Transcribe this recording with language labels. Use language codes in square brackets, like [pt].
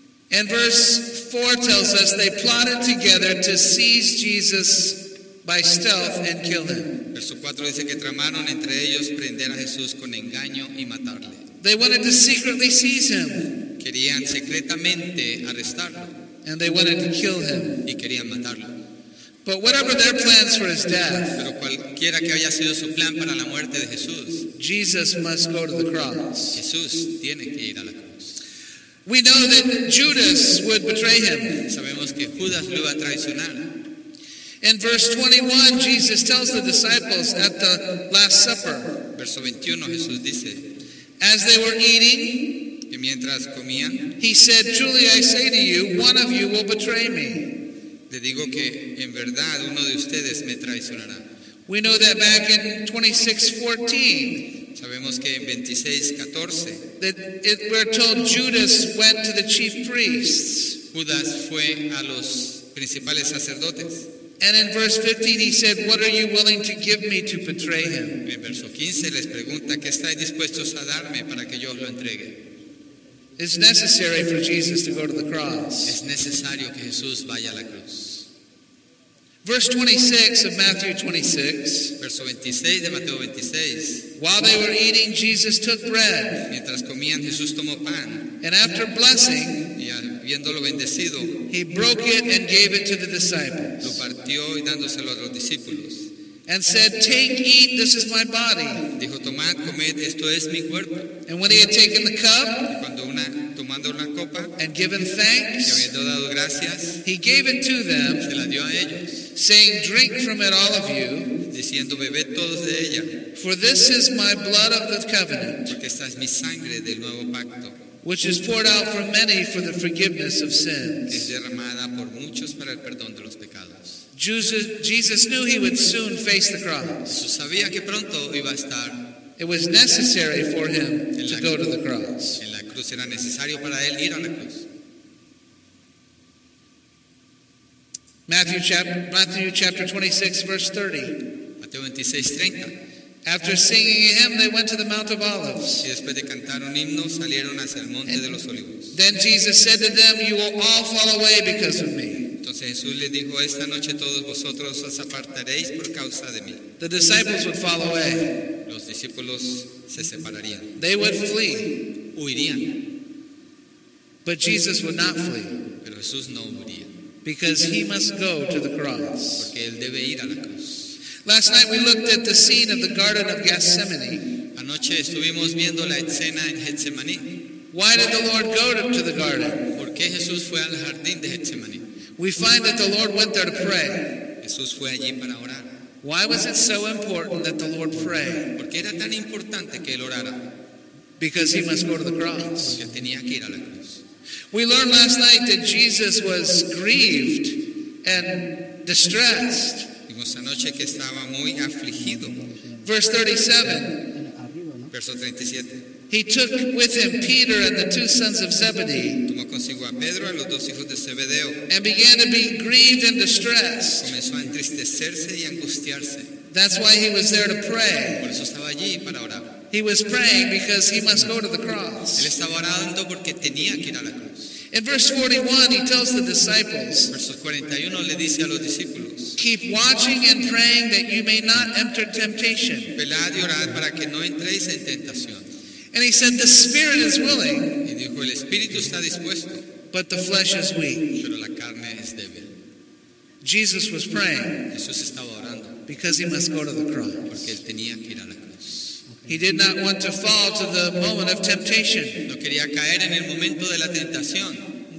[en] And verse 4 tells us they plotted together to seize Jesus by stealth and kill him. [es] Verso 4 dice que tramaron entre ellos prender a Jesús con engaño y matarle. [en] They wanted to secretly seize him. [es] Querían secretamente arrestarlo. [en] And they wanted to kill him. [es] Y querían matarlo. [en] But whatever their plans for his death, [es] pero cualquiera que haya sido su plan para la muerte de Jesús, [en] Jesus must go to the cross. [es] Jesús tiene que ir a la cruz. [en] We know that Judas would betray him. [es] Sabemos que Judas lo iba a traicionar. [en] In verse 21, Jesus tells the disciples at the Last Supper, [es] verso 21, Jesús dice, [en] as they were eating, [es] y mientras comían, [en] he said, truly I say to you, one of you will betray me. [es] Le digo que en verdad uno de ustedes me traicionará. [en] We know that back in 26:14, [es] sabemos que en 26:14, [en] that we're told Judas went to the chief priests. [es] Judas fue a los principales sacerdotes. [en] And in verse 15 he said, what are you willing to give me to betray him? [es] En verso 15 les pregunta, ¿qué estáis dispuestos a darme para que yo lo entregue? [en] It's necessary for Jesus to go to the cross. [es] Es necesario que Jesús vaya a la cruz. [en] Verse 26 of Matthew 26. [es] Verso 26 de Mateo 26. [en] While they were eating, Jesus took bread. [es] Mientras comían, Jesús tomó pan. [en] And after blessing, [es] y habiéndolo bendecido, [en] he broke it and gave it to the disciples. [es] Lo partió y dándoselo a los discípulos. [en] And said, take, eat, this is my body. [es] Dijo, tomad, comed, esto es mi cuerpo. [en] And when he had taken the cup, [es] tomando una copa, [en] and given thanks, [es] y habiendo dado gracias, [en] he gave it to them, [es] se la dio a ellos, [en] saying, drink from it, all of you, [es] diciendo, bebed todos de ella, [en] for this is my blood of the covenant, [es] porque esta es mi sangre del nuevo pacto, [en] which is poured out for many for the forgiveness of sins. [es] Es derramada por muchos para el perdón de los pecados. [en] Jesus knew he would soon face the cross. [es] Jesús sabía que pronto iba a estar. [en] It was necessary for him to go to the cross. [es] En la cruz era necesario para él ir a la cruz. [en] Matthew chapter 26, verse 30. [es] Mateo 26, 30. [en] After singing a hymn, they went to the Mount of Olives. [es] Y después de cantar un himno, salieron hacia el Monte de los Olivos. [en] Then Jesus said to them, you will all fall away because of me. [es] Entonces Jesús les dijo, esta noche todos vosotros os apartaréis por causa de mí. [en] The disciples would fall away. [es] Los discípulos se separarían. [en] They would flee. [es] Huirían. [en] But Jesus would not flee. [es] Pero Jesús no huiría. [en] Because he must go to the cross. [es] Porque él debe ir a la cruz. [en] Last night we looked at the scene of the Garden of Gethsemane. [es] Anoche estuvimos viendo la escena en Getsemaní. [en] Why did the Lord go to the garden? [es] ¿Por qué Jesús fue al jardín de Getsemaní? [en] We find that the Lord went there to pray. [es] Jesús fue allí para orar. [en] Why was it so important that the Lord pray? [es] ¿Por qué era tan importante que él orara? [en] Because he must go to the cross. [es] Porque tenía que ir a la cruz. [en] We learned last night that Jesus was grieved and distressed. [es] Esa noche que estaba muy afligido. [en] Verse 37. [es] Verso 37. [en] He took with him Peter and the two sons of Zebedee. [es] Tomó consigo a Pedro y los dos hijos de Zebedeo. [en] And began to be grieved and distressed. [es] Comenzó a entristecerse y angustiarse. [en] That's why he was there to pray. [es] Por eso estaba allí para orar. [en] He was praying because he must go to the cross. [es] Él estaba orando porque tenía que ir a la cruz. [en] In verse 41, he tells the disciples, [es] verso 41 le dice a los discípulos, [en] keep watching and praying that you may not enter temptation. [es] Velad y orad para que no entréis en tentación. [en] And he said, the spirit is willing, [es] y dijo, el espíritu está dispuesto, [en] but the flesh is weak. [es] Pero la carne es débil. [en] Jesus was praying, [es] Jesús estaba orando, [en] because he must go to the cross. [es] Porque él tenía que ir a la cruz. [en] He did not want to fall to the moment of temptation. [es] No quería caer en el momento de la tentación.